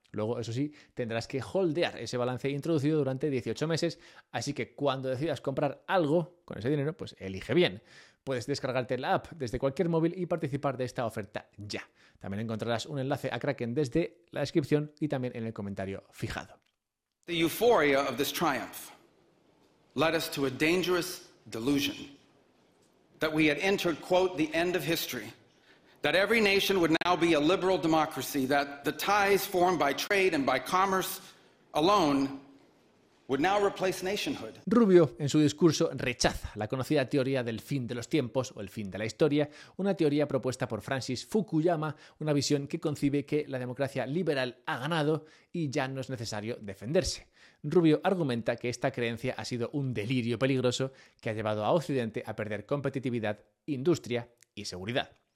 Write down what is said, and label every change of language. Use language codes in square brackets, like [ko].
[es] Luego, eso sí, tendrás que holdear ese balance introducido durante 18 meses, así que cuando decidas comprar algo con ese dinero, pues elige bien. Puedes descargarte la app desde cualquier móvil y participar de esta oferta ya. También encontrarás un enlace a Kraken desde la descripción y también en el comentario fijado. [en] The euphoria of this triumph led us to a dangerous delusion that we had entered, quote, the end of history. That every nation would now be a liberal democracy, that the ties formed by trade and by commerce alone would now replace nationhood. [es] Rubio, en su discurso, rechaza la conocida teoría del fin de los tiempos o el fin de la historia, una teoría propuesta por Francis Fukuyama, una visión que concibe que la democracia liberal ha ganado y ya no es necesario defenderse. Rubio argumenta que esta creencia ha sido un delirio peligroso que ha llevado a Occidente a perder competitividad, industria y seguridad.